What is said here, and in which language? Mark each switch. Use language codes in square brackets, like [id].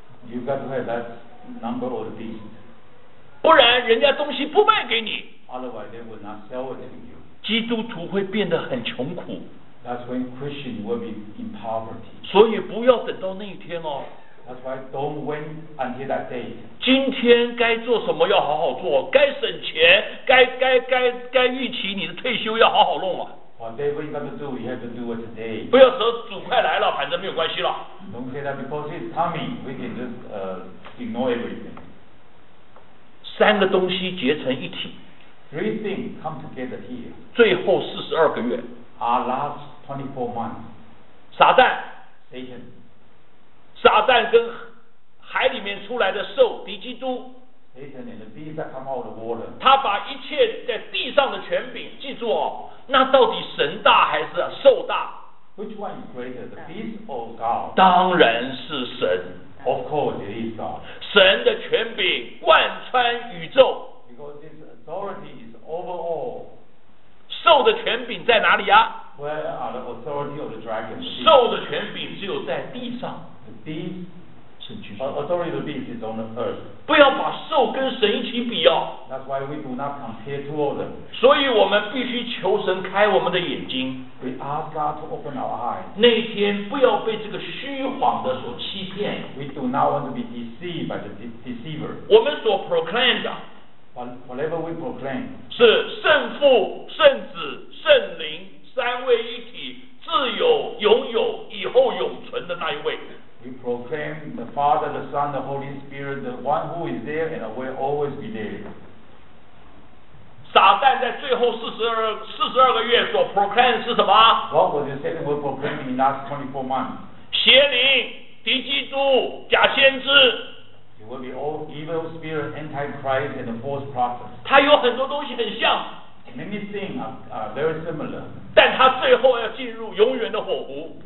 [en] You got to have that number of the beast. [zh] 不然人家东西不卖给你。 [en] Otherwise, they will not sell it to you. [zh] 基督徒会变得很穷苦。 [en] That's when Christians will be in poverty. [zh] 所以不要等到那一天哦。 [en] That's why don't wait until that day. [zh] 今天该做什么要好好做，该省钱，该预期你的退休要好好弄啊。 [en] Whatever you got to do, you have to do it today. [zh] 不要说主快来了，反正没有关系了。 [en] Don't say that because it's coming. We can just ignore everything. [zh] 三个东西结成一体。 [en] Three things come together here. [zh] 最后四十二个月。 [en] Our last 24 months. [zh] 撒旦。 [en] Satan. [zh] 撒旦跟海里面出来的兽敌基督。 [en] Satan and the beast that come out of the water. [zh] 他把一切在地上的权柄，记住哦，那到底神大还是兽大？ [en] Which one is greater, the beast or God? [zh] 当然是神。 [en] Of course, it is God. [zh] 神的权柄贯穿宇宙。 [en] Because this authority is over all. [zh] 兽的权柄在哪里啊？ [en] Where are the authority of the dragon? [zh] 兽的权柄只有在地上。 [en] The beast, authority of the beast is on the earth. [zh] 不要把兽跟神一起比哦。 [en] That's why we do not compare to all them. [zh] 所以我们必须求神开我们的眼睛。 [en] We ask God to open our eyes. [zh] 那一天不要被这个虚谎的所欺骗。 [en] We do not want to be deceived by the deceiver. [zh] 我们所 proclaim 的。 [en] Whatever we proclaim. [zh] 是圣父、圣子、圣灵三位一体，自有、拥有、以后永存的那一位。 [en] We proclaim the Father, the Son, the Holy Spirit, the one who is there and will always be there. [zh] 撒旦在最后42个月所 proclaim 是什么？ [en] What was it said we're proclaiming in the last 24 months? [zh] 邪灵、敌基督、假先知。 [en] It will be all evil spirit, antichrist and the false prophet. [zh] 他有很多东西很像。 [en] Many things are very similar. [zh] 但他最后要进入永远的火湖。